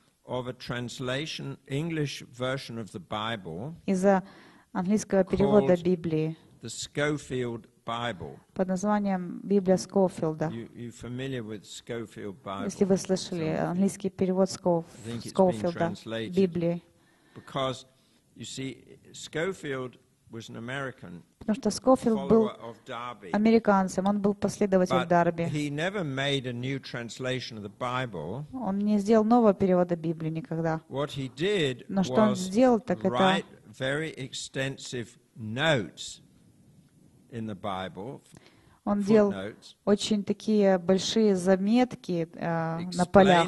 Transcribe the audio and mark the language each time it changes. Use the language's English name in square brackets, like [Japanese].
[English] of a translation, English version of the Bible, [Russian] из-за английского перевода Библии, [English] the Schofield Bible, [Russian] под названием Библия Скофилда. [English] You familiar with Schofield Bible? [Russian] Если вы слышали английский перевод Скофилда Библии, [English] because you see, Schofield was an American, [Russian] потому что Скофилд был американцем, он был последователем Дарби. [English] He never made a new translation of the Bible. [Russian] Он не сделал нового перевода Библии никогда. [English] What he did was write very extensive notes in the Bible. [Russian] Он делал очень такие большие заметки на полях.